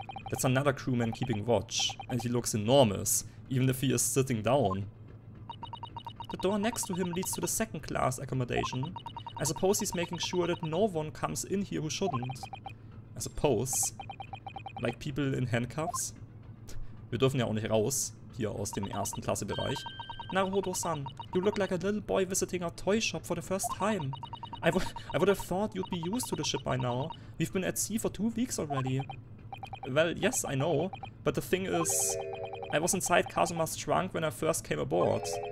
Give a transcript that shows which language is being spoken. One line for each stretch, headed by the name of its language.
English: That's another crewman keeping watch, and he looks enormous, even if he is sitting down. The door next to him leads to the second class accommodation. I suppose he's making sure that no one comes in here who shouldn't. I suppose. Like people in handcuffs?
German: Wir dürfen ja auch nicht raus, hier aus dem ersten Klassebereich.
English: Naruhodo-san, you look like a little boy visiting our toy shop for the first time. I would have thought you'd be used to the ship by now. We've been at sea for 2 weeks already. Well, yes, I know. But the thing is, I was inside Kazuma's trunk when I first came aboard.